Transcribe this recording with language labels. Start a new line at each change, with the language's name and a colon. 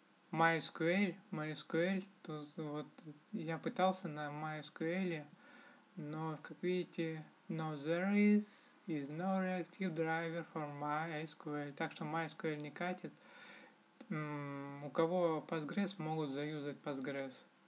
Russian: MySQL, тут вот я пытался на MySQL, но как видите.
English: No, there is no reactive driver for MySQL.
Russian: Так что MySQL не катит. У кого Postgres, могут заюзать Postgres.